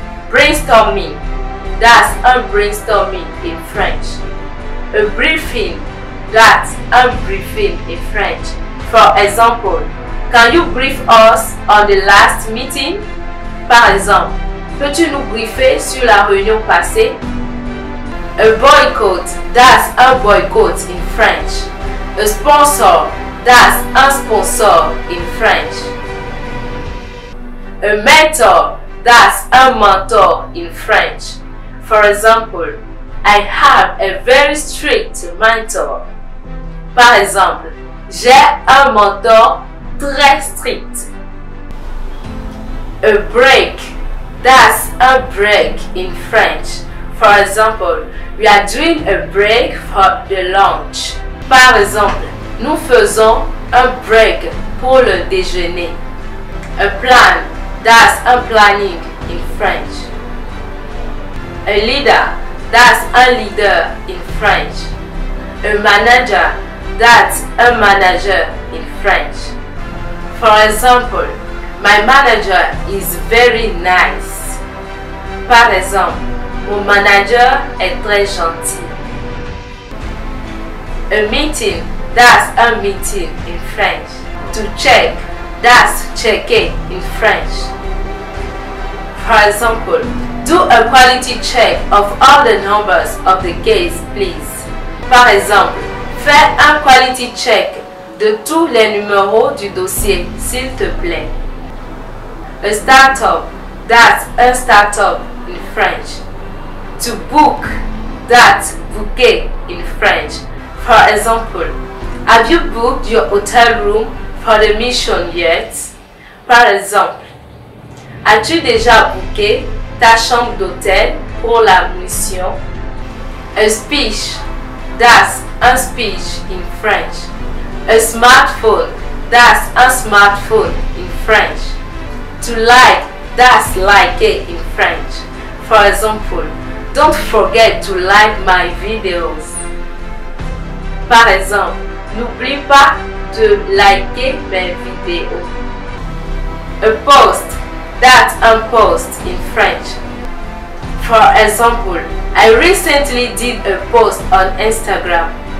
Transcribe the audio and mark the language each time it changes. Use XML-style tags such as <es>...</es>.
<en>Brainstorming, that's a brainstorming in French. A briefing, that's a briefing in French. For example, can you brief us on the last meeting?</en> <fr>Par exemple, peux-tu nous briefer sur la réunion passée?</fr> <en>A boycott, that's a boycott in French. A sponsor, that's a sponsor in French. A mentor, that's a mentor in French. For example, I have a very strict mentor.</en> <fr>Par exemple, j'ai un mentor très strict.</fr> <en>A break. That's a break in French. For example, we are doing a break for the lunch.</en> <fr>Par exemple, nous faisons un break pour le déjeuner.</fr> <en>A plan, that's a planning in French. A leader, that's a leader in French. A manager, that's a manager in French. For example, my manager is very nice.</en> <fr>Par exemple, mon manager est très gentil.</fr> <en>A meeting, that's a meeting in French. To check, that's checker in French. For example, do a quality check of all the numbers of the case, please.</en> <fr>Par exemple, fais un quality check de tous les numéros du dossier, s'il te plaît.</fr> <en>A startup, that's a startup in French. To book, that's booker in French. For example, have you booked your hotel room for the mission yet?</en> <fr>Par exemple, as-tu déjà booké ta chambre d'hôtel pour la mission?</fr> <en>A speech, that's a speech in French. A smartphone, that's a smartphone in French. To like, that's like it in French. For example, don't forget to like my videos.</en> <fr>Par exemple, n'oublie pas de liker mes vidéos.</fr> <en>A post, that's a post in French. For example, I recently did a post on Instagram.</en>